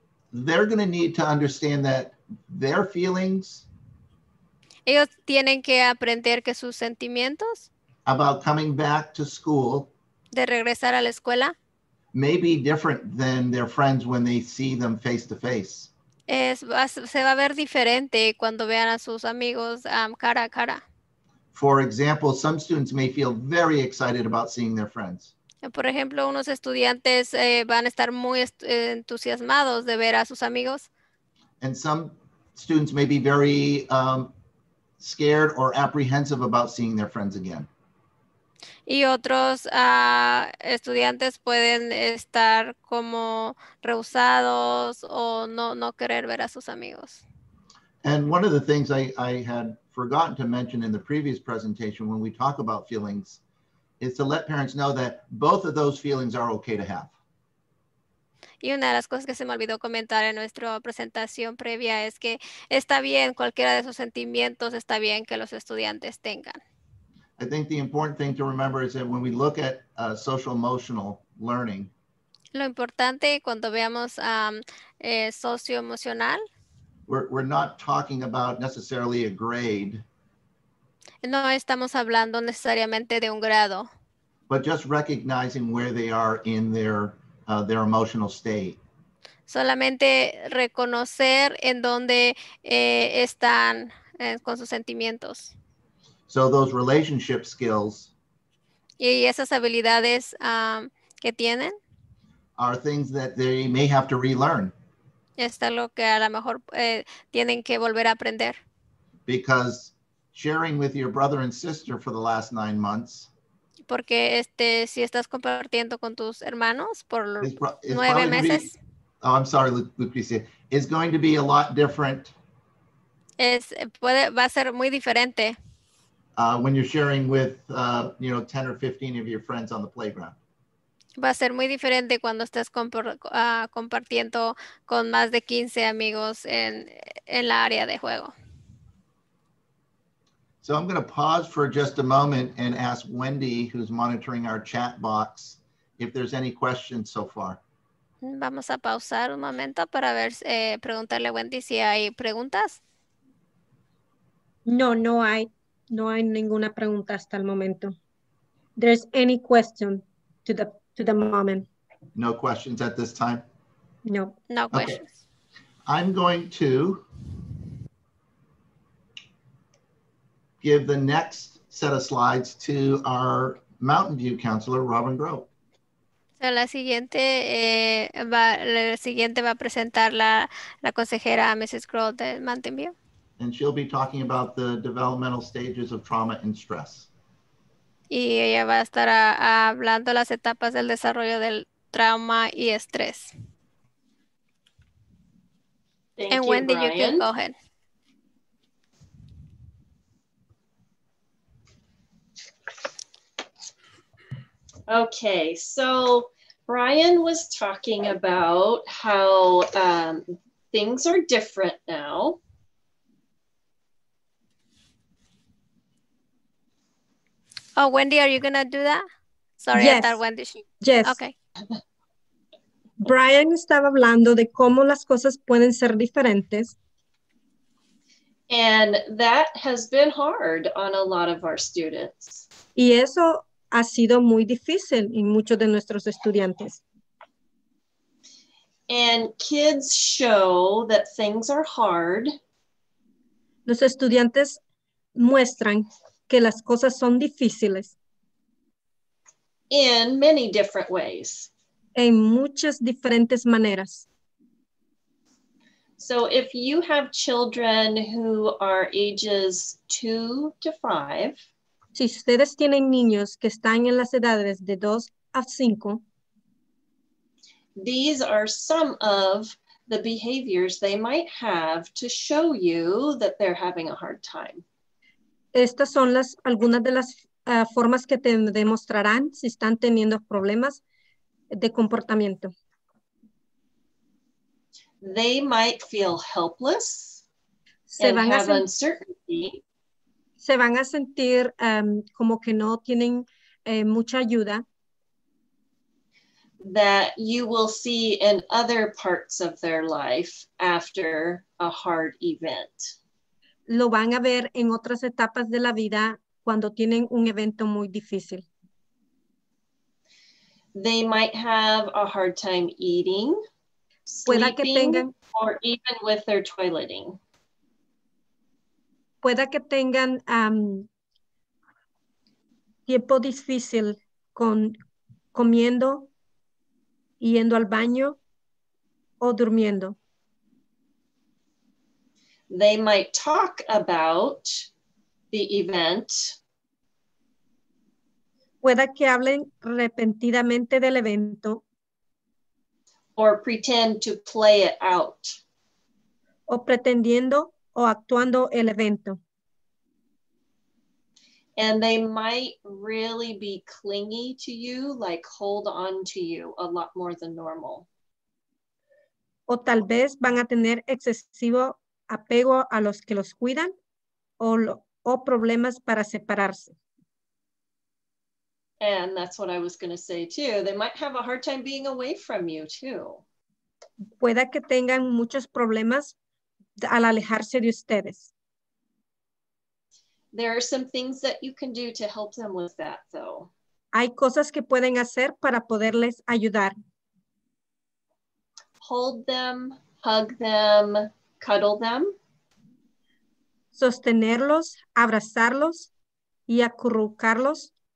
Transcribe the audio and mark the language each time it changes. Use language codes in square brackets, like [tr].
[en] they're going to need to understand that their feelings. [es] Ellos tienen que aprender que sus sentimientos. [en] About coming back to school. [es] De regresar a la escuela. [en] May be different than their friends when they see them face to face. [es] Es, se va a ver diferente cuando vean a sus amigos cara a cara. [en] For example, some students may feel very excited about seeing their friends. [es] Por ejemplo, unos estudiantes van a estar muy entusiasmados de ver a sus amigos. [en] And some students may be very scared or apprehensive about seeing their friends again. [es] Y otros estudiantes pueden estar como rehusados o no querer ver a sus amigos. [en] And one of the things I had forgotten to mention in the previous presentation when we talk about feelings is to let parents know that both of those feelings are okay to have. [es] Y una de las cosas que se me olvidó comentar en nuestra presentación previa es que está bien, cualquiera de esos sentimientos está bien que los estudiantes tengan. [en] I think the important thing to remember is that when we look at social emotional learning, [es] lo importante cuando veamos socio emocional, [en] we're not talking about necessarily a grade. [es] No estamos hablando necesariamente de un grado. [en] But just recognizing where they are in their emotional state. [es] Solamente reconocer en dónde están con sus sentimientos. [en] So those relationship skills. [es] Y esas habilidades que tienen. [en] Are things that they may have to relearn. [es] Es lo que a lo mejor tienen que volver a aprender. [en] Because sharing with your brother and sister for the last 9 months. [es] Porque si estás compartiendo con tus hermanos por nueve meses. [en] Oh, I'm sorry, Lucrecia. It's going to be a lot different. [es] Va a ser muy diferente. [en] When you're sharing with, 10 or 15 of your friends on the playground. [es] Va a ser muy diferente cuando estés compartiendo con más de 15 amigos en la área de juego. [en] So I'm going to pause for just a moment and ask Wendy, who's monitoring our chat box, if there's any questions so far. [es] Vamos a pausar un momento para ver, preguntarle a Wendy si hay preguntas. No, no hay. No hay ninguna pregunta hasta el momento. [en] There's any question to the moment. No questions at this time? No questions. Okay. I'm going to give the next set of slides to our Mountain View counselor, Robin Grove. [es] So la siguiente va a presentar la consejera Mrs. Grove de Mountain View. [en] And she'll be talking about the developmental stages of trauma and stress. [es] Y ella va a estar hablando las etapas del desarrollo del trauma y estrés. [en] Thank you, Brian. And Wendy, you can go ahead. Okay, so Brian was talking about how things are different now. Oh, Wendy, are you going to do that? Sorry, yes. I thought Wendy. Yes. Okay. [es] Brian estaba hablando de cómo las cosas pueden ser diferentes. [en] And that has been hard on a lot of our students. [es] Y eso ha sido muy difícil en muchos de nuestros estudiantes. [en] And kids show that things are hard. [es] Los estudiantes muestran que las cosas son difíciles. [en] In many different ways. [es] En muchas diferentes maneras. [en] So if you have children who are ages 2 to 5. [es] Si ustedes tienen niños que están en las edades de 2 a 5. [en] These are some of the behaviors they might have to show you that they're having a hard time. [es] Estas son algunas de las formas que te demostrarán si están teniendo problemas de comportamiento. [en] They might feel helpless. [es] Se van a sentir como que no tienen mucha ayuda. [en] that you will see in other parts of their life after a hard event. [es] Lo van a ver en otras etapas de la vida cuando tienen un evento muy difícil. [en] They might have a hard time eating, [es] pueda que tengan, [en] or even with their toileting. [es] Pueda que tengan tiempo difícil con comiendo, yendo al baño o durmiendo. [en] They might talk about the event. [es] Pueda que hablen repentinamente del evento. [en] Or pretend to play it out. [es] O pretendiendo o actuando el evento. [en] And they might really be clingy to you, like hold on to you a lot more than normal. [es] O tal vez van a tener excesivo apego a los que los cuidan o problemas para separarse. [en] And that's what I was going to say too. They might have a hard time being away from you too. [es] Pueda que tengan muchos problemas al alejarse de ustedes. [en] There are some things that you can do to help them with that though. [es] Hay cosas que pueden hacer para poderles ayudar. [en] Hold them, hug them, cuddle them. [es] Sostenerlos, abrazarlos y acurrucarlos.